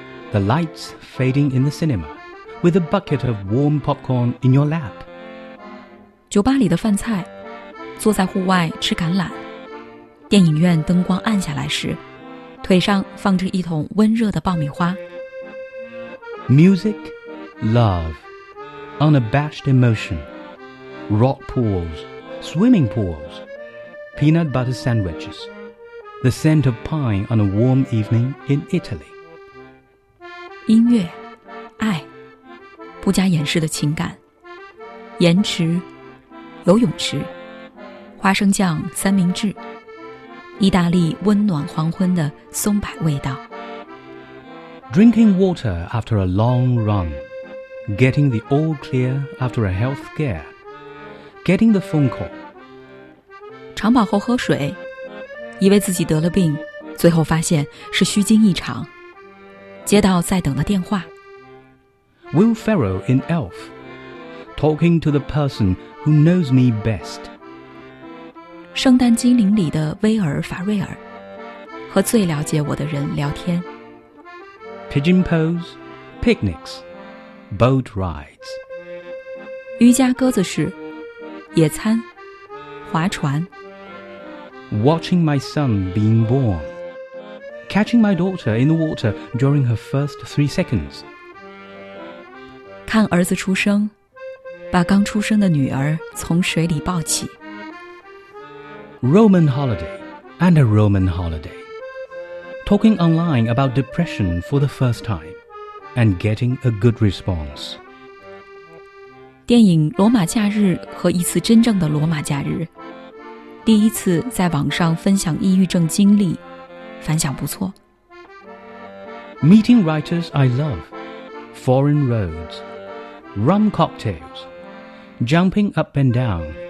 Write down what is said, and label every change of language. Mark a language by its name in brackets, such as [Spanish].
[English] The lights fading in the cinema, with a bucket of warm popcorn in your lap. [Chinese] 酒吧里的饭菜，坐在户外吃橄榄。电影院灯光暗下来时，腿上放着一桶温热的爆米花。 [English] Music, love, unabashed emotion, rock pools, swimming pools, peanut butter sandwiches, the scent of pine on a warm evening in Italy. [Chinese] 音乐，爱，不加掩饰的情感，盐池，游泳池，花生酱三明治，意大利温暖黄昏的松柏味道。 [English] Drinking water after a long run, getting the all clear after a health scare, getting the phone call. [Chinese] 长跑后喝水，以为自己得了病，最后发现是虚惊一场。接到在等的电话。 [English] Will Ferrell in Elf, talking to the person who knows me best. [Chinese] 圣诞精灵里的威尔·法瑞尔，和最了解我的人聊天。 [English] Pigeon pose, picnics, boat rides. [Chinese] 瑜伽鸽子式，野餐，划船。 [English] Watching my son being born. Catching my daughter in the water during her first 3 seconds. [Chinese] 看儿子出生，把刚出生的女儿从水里抱起。 [English] Roman holiday and a Roman holiday. Talking online about depression for the first time and getting a good response. [Chinese] 电影《罗马假日》和一次真正的罗马假日，第一次在网上分享抑郁症经历，反响不错。 [English] Meeting writers I love, foreign roads, rum cocktails, jumping up and down.